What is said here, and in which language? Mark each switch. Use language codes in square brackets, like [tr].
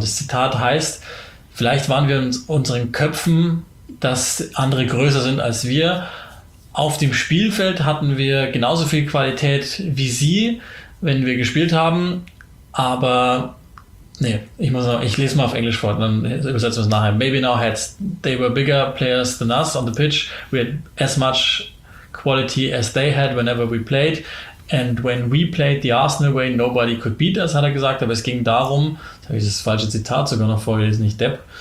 [de] Das Zitat heißt, vielleicht waren wir in unseren Köpfen, dass andere größer sind als wir. Auf dem Spielfeld hatten wir genauso viel Qualität wie sie, wenn wir gespielt haben, aber nee, ich lese mal auf Englisch vor, dann übersetzen wir es nachher. [en] Maybe in our heads, they were bigger players than us on the pitch. We had as much quality as they had whenever we played. And when we played the Arsenal way, nobody could beat us, [de] hat er gesagt. Aber es ging darum, jetzt habe ich das falsche Zitat sogar noch vorgelesen, nicht Depp.